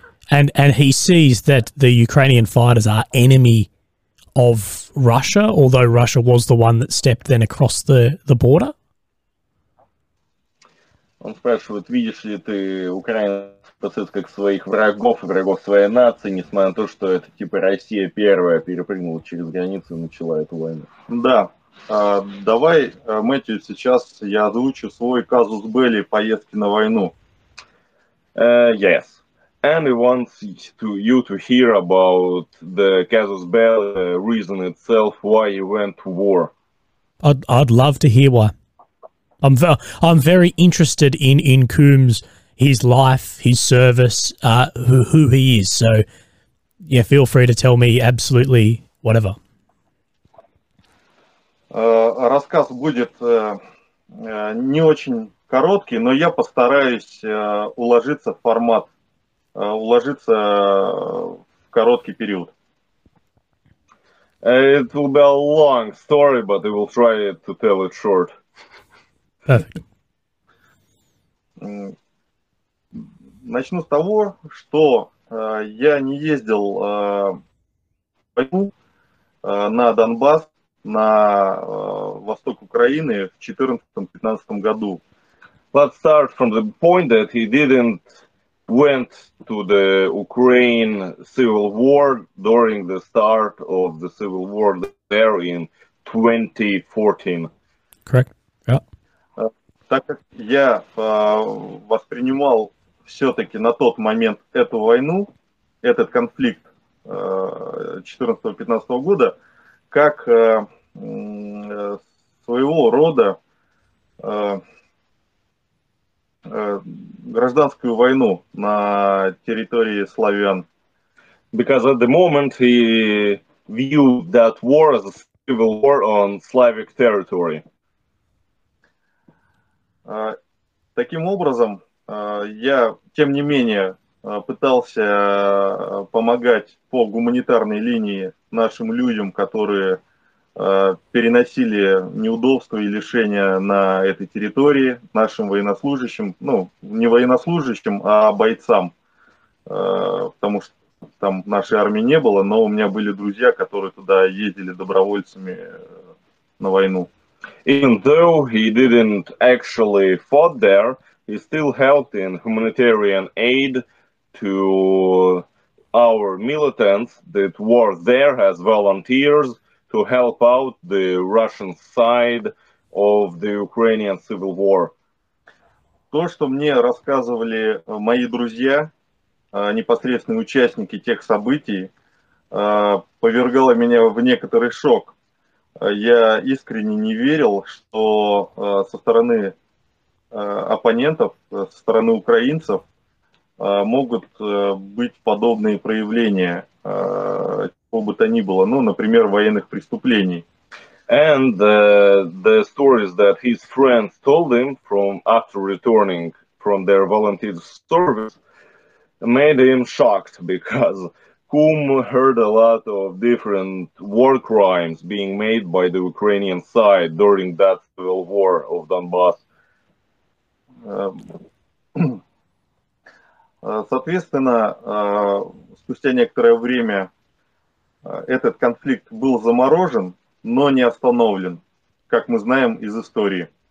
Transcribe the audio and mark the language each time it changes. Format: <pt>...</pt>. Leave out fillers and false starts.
<en>And he sees that the Ukrainian fighters are enemy of Russia, although Russia was the one that stepped then across the border?</en> <ru>Он спрашивает, видишь ли ты Украину? Посмотрите, как своих врагов и врагов своей нации, несмотря на то, что это типа Россия первая перепрыгнула через границу и начала эту войну. Да. Давай, Мэтью, сейчас я озвучу свой казус белли поездки на войну.</ru> <en>Yes. And he wants you to hear about the casus belli reason itself why you went to war. I'd love to hear why. I'm very interested in Coombs. His life, his service, who he is. So, yeah, feel free to tell me absolutely whatever.</en> <ru>Рассказ будет не очень короткий, но я постараюсь уложиться в формат, уложиться в короткий период.</ru> <en>It will be a long story, but I will try to tell it short. Perfect.</en> <ru>Начну с того, что я не ездил в войну на Донбасс, на восток Украины в 2014-2015 году.</ru> <en>Let's start from the point that he didn't went to the Ukraine civil war during the start of the civil war there in 2014. Correct. Yeah.</en> <ru>Так как я воспринимал все-таки на тот момент эту войну, этот конфликт 2014-2015 года, как своего рода гражданскую войну на территории славян.</ru> <en>Because at the moment he viewed that war as a civil war on Slavic territory.</en> <ru>Таким образом, я, тем не менее, пытался помогать по гуманитарной линии нашим людям, которые переносили неудобства и лишения на этой территории, нашим военнослужащим, ну, не военнослужащим, а бойцам, потому что там нашей армии не было, но у меня были друзья, которые туда ездили добровольцами на войну.</ru> <en>Even though he didn't actually fought there, he still helped in humanitarian aid to our militants that were there as volunteers to help out the Russian side of the Ukrainian civil war.</en> <ru>То, что мне рассказывали мои друзья, непосредственные участники тех событий, повергало меня в некоторый шок. Я искренне не верил, что со стороны оппонентов, со стороны украинцев могут быть подобные проявления, чего бы то ни было, ну, например, военных преступлений.</ru> <en>And the stories that his friends told him from after returning from their volunteer service made him shocked, because Kum heard a lot of different war crimes being made by the Ukrainian side during that civil war of Donbass.</en> <ru>Соответственно, спустя некоторое время этот конфликт был заморожен, но не остановлен, как мы знаем из истории.</ru>